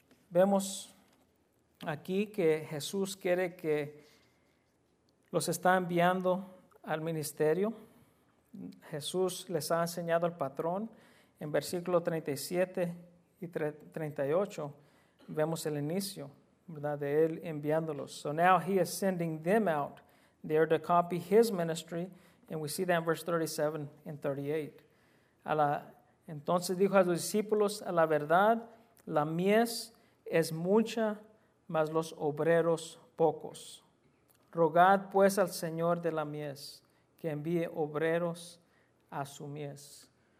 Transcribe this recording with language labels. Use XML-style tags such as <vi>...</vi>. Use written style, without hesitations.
<es>Vemos aquí que Jesús quiere que los está enviando al ministerio. Jesús les ha enseñado el patrón. En versículo 37 y 38 vemos el inicio, ¿verdad?, de él enviándolos.</es> <en>So now he is sending them out. They are to copy his ministry. And we see that in verse 37 and 38.</en> <es>Entonces dijo a los discípulos, a la verdad, la mies es mucha, mas los obreros pocos. Rogad pues al Señor de la mies que envíe obreros a su mies.</es>